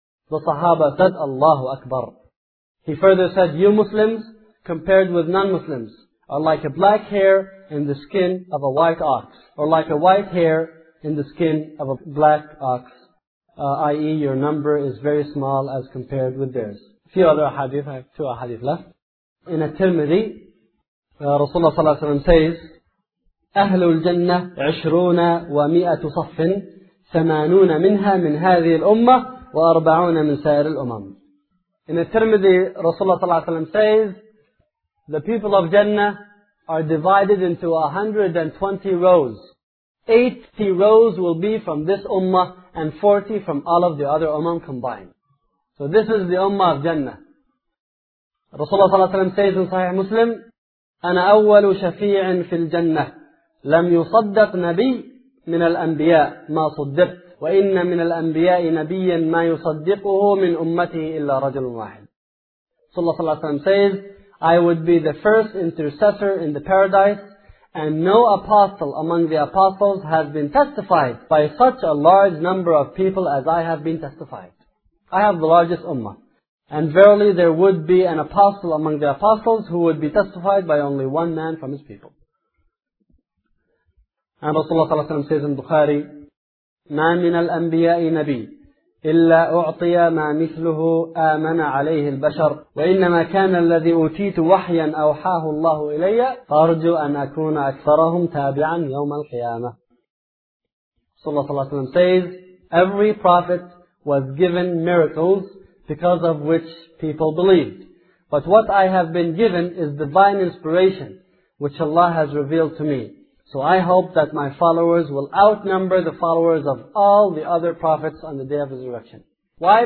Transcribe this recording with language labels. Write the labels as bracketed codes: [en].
[en] The Sahaba said, Allahu Akbar. He further said, you Muslims, compared with non-Muslims, are like a black hair in the skin of a white ox, or like a white hair in the skin of a black ox, i.e. your number is very small as compared with theirs. A few other hadith, I have two hadith left. In At-Tirmidhi, Rasulullah sallallahu alayhi wa sallam says, [ar] أهل الجنة 20 و100 صف 80 منها من هذه الأمة و40 من سائر الأمم. [en] In At-Tirmidhi, Rasulullah sallallahu alayhi wa sallam says, the people of Jannah are divided into 120 rows. 80 rows will be from this Ummah and 40 from all of the other Ummah combined. So this is the Ummah of Jannah. Rasulullah sallallahu alayhi wa sallam says in Sahih Muslim, [ar] أنا أول شفيع في الجنة. لم يصدق نبي من الأنبياء ما صدق، وإن من الأنبياء نبيا ما يصدقه من أمته إلا رجل واحد. [en] صلى الله عليه وسلم says, I would be the first intercessor in the paradise, and no apostle among the apostles has been testified by such a large number of people as I have been testified. I have the largest ummah. And verily there would be an apostle among the apostles who would be testified by only one man from his people. And Rasulullah ﷺ says in Bukhari, [ar] مَا مِنَ الْأَنْبِيَاءِ نَبِيٍّ إِلَّا أُعْطِيَ مَا مِثْلُهُ آمَنَ عَلَيْهِ الْبَشَرُ وَإِنَّمَا كَانَ الَّذِي أُوتِيتُ وَحْيًا أَوْحَاهُ اللَّهُ إِلَيَّ فَأَرْجُو أَنْ أَكُونَ أَكْثَرَهُمْ تَابِعًا يَوْمَ الْقِيَامَةِ. [en] صلى الله عليه وسلم says, every prophet was given miracles because of which people believed. But what I have been given is divine inspiration which Allah has revealed to me. So I hope that my followers will outnumber the followers of all the other prophets on the day of resurrection. Why?